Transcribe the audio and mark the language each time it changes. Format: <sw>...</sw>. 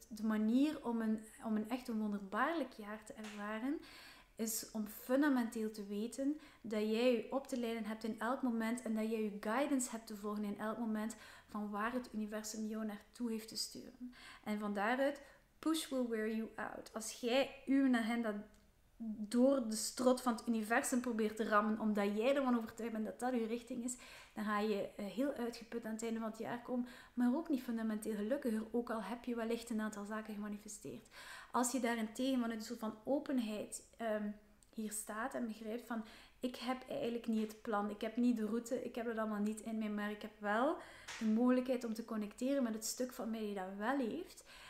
<nl>De manier om een echt een wonderbaarlijk jaar te ervaren is om fundamenteel te weten dat jij je op te leiden hebt in elk moment en dat jij je guidance hebt te volgen in elk moment van waar het universum jou naartoe heeft te sturen.</nl> <en>En van daaruit, push will wear you out.</en> <nl>Als jij uw agenda door de strot van het universum probeert te rammen omdat jij ervan overtuigd bent dat dat je richting is, dan ga je heel uitgeput aan het einde van het jaar komen, maar ook niet fundamenteel gelukkiger, ook al heb je wellicht een aantal zaken gemanifesteerd. Als je daarentegen vanuit een soort van openheid hier staat en begrijpt van, ik heb eigenlijk niet het plan, ik heb niet de route, ik heb dat allemaal niet in mij, maar ik heb wel de mogelijkheid om te connecteren met het stuk van mij die dat wel heeft.</nl>